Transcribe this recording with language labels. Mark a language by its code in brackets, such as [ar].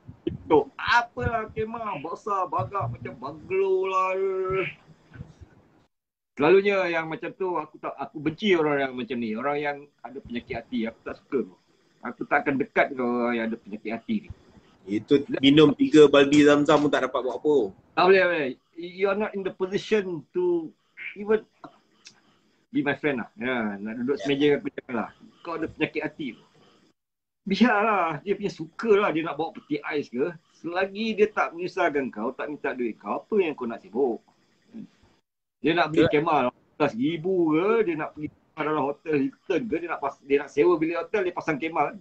[ms] Tu apalah kemah besar bagak macam baglo lah. Selalunya yang macam tu aku tak, aku benci orang yang macam ni, orang yang ada penyakit hati. Aku tak suka. Aku tak akan dekat dengan orang yang ada penyakit hati ni. Itu minum 3 baldi zam-zam pun tak dapat buat apa. Tak boleh, man. [en] You are not in the position to even be my friend lah. [ms] Ya, nak duduk semeja dengan aku janganlah. Kau ada penyakit hati. Biarlah, dia punya suka lah dia nak bawa peti ais ke. Selagi dia tak menyusahkan kau, tak minta duit kau, apa yang kau nak sibuk? Dia nak beli kemal RM1,000 ke, dia nak pergi dalam hotel Hilton ke, dia nak sewa bilik hotel, dia pasang kemal.